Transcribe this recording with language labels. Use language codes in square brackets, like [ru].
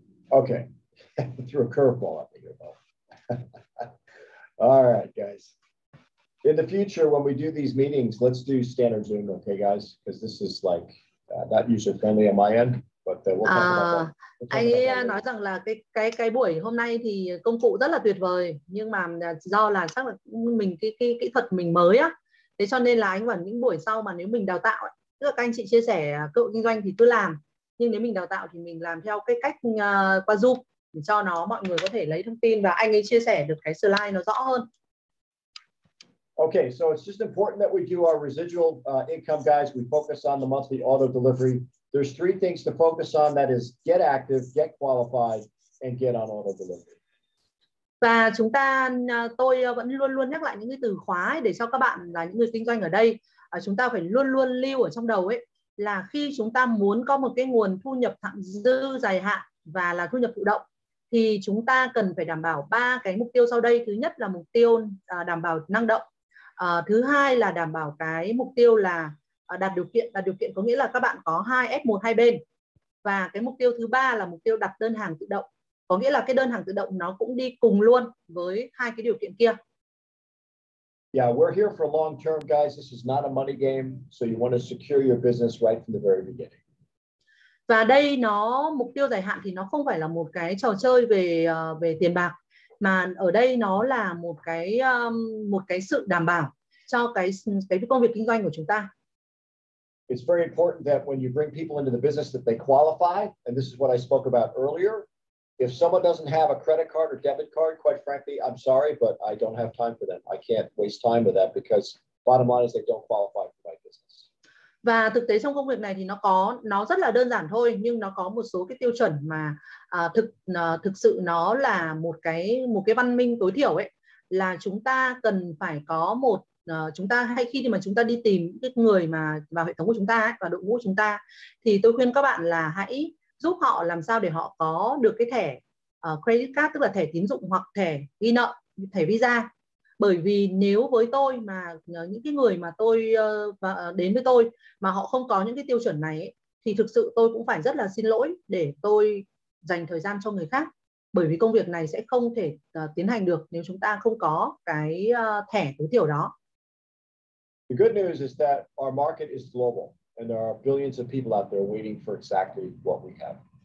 [en] Okay. I threw a curveball at me here, though. All right, guys. In the future, when we do these meetings, let's do standard Zoom, okay, guys? Because this is like not user-friendly on my end, but we'll talk about that. We'll [vi] anh ấy nói rằng là cái buổi hôm nay thì công cụ rất là tuyệt vời, nhưng mà do là chắc là mình cái kỹ thuật mình mới á, thế cho nên là anh bảo những buổi sau mà nếu mình đào tạo, tức là các anh chị chia sẻ cơ hội kinh doanh thì cứ làm, nhưng nếu mình đào tạo thì mình làm theo cái cách qua Zoom để cho nó mọi người có thể lấy thông tin và anh ấy chia sẻ được cái slide nó rõ hơn. [en] Okay, so it's just important that we do our residual income, guys. We focus on the monthly auto delivery. There's three things to focus on, that is get active, get qualified, and get on auto delivery. [vi] Và chúng ta, tôi vẫn luôn luôn nhắc lại những cái từ khóa ấy để cho các bạn là những người kinh doanh ở đây, chúng ta phải luôn luôn lưu ở trong đầu ấy là khi chúng ta muốn có một cái nguồn thu nhập thặng dư dài hạn và là thu nhập thụ động, thì chúng ta cần phải đảm bảo ba cái mục tiêu sau đây. Thứ nhất là mục tiêu đảm bảo năng động. Thứ hai là đảm bảo cái mục tiêu là đạt điều kiện. Đạt điều kiện có nghĩa là các bạn có 2 F1 hai bên. Và cái mục tiêu thứ ba là mục tiêu đặt đơn hàng tự động. Có nghĩa là cái đơn hàng tự động nó cũng đi cùng luôn với hai cái điều kiện kia. [en] Yeah, we're here for long term, guys. This is not a money game. So you want to secure your business right from the very beginning. [vi] Và đây nó mục tiêu dài hạn thì nó không phải là một cái trò chơi về về tiền bạc, mà ở đây nó là một cái sự đảm bảo cho cái công việc kinh doanh của chúng ta. [en] It's very important that when you bring people into the business that they qualify, and this is what I spoke about earlier. If someone doesn't have a credit card or debit card, quite frankly, I'm sorry, but I don't have time for them. I can't waste time with that because bottom line is they don't qualify for my business. [vi] Và thực tế trong công việc này thì nó rất là đơn giản thôi, nhưng nó có một số cái tiêu chuẩn mà thực sự nó là một cái văn minh tối thiểu ấy, là chúng ta cần phải có một chúng ta hay khi thì mà chúng ta đi tìm cái người mà vào hệ thống của chúng ta ấy, và đội ngũ của chúng ta, thì tôi khuyên các bạn là hãy giúp họ làm sao để họ có được cái thẻ credit card, tức là thẻ tín dụng hoặc thẻ ghi nợ, thẻ Visa. Bởi vì nếu với tôi mà những cái người mà tôi đến với tôi mà họ không có những cái tiêu chuẩn này ấy, thì thực sự tôi cũng phải rất là xin lỗi để tôi dành thời gian cho người khác, bởi vì công việc này sẽ không thể tiến hành được nếu chúng ta không có cái thẻ tối thiểu đó. [en] The good news is that our market is global and there are billions of people out there waiting for exactly what we have.